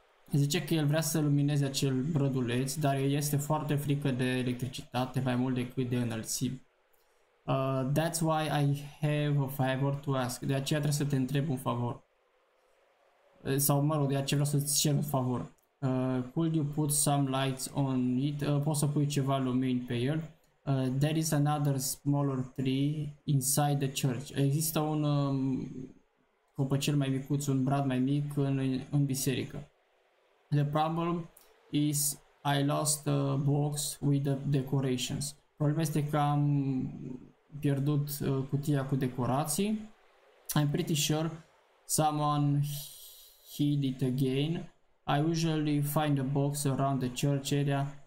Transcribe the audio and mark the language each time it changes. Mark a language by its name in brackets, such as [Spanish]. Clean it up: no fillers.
[Romanian] Zice că el vrea să lumineze acel brăduleț, dar este foarte frică de electricitate, mai mult decât de înălțim. [English] That's why I have a favor to ask. [Romanian] De aceea trebuie să te întreb un favor. Sau, mă rog, de aceea vreau să-ți cer un favor. [English] Could you put some lights on it? [Romanian] Poți să pui ceva lumini pe el. [English] There is another smaller tree inside the church. [Romanian] Există un copăcel mai micuț, un brad mai mic în biserică. [English] The problem is I lost a box with the decorations. [Romanian] Problema este că am pierdut cutia cu decorații. [English] I'm pretty sure someone hid it again. I usually find a box around the church area.